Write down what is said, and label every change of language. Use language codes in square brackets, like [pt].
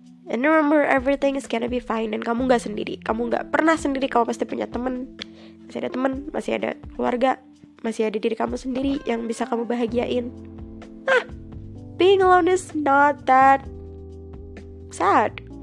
[en] And remember, everything is gonna be fine. [id] Dan kamu gak sendiri. Kamu gak pernah sendiri. Kamu pasti punya teman. Masih ada teman, masih ada keluarga. Masih ada diri kamu sendiri yang bisa kamu bahagiain. [en] Being alone is not that sad.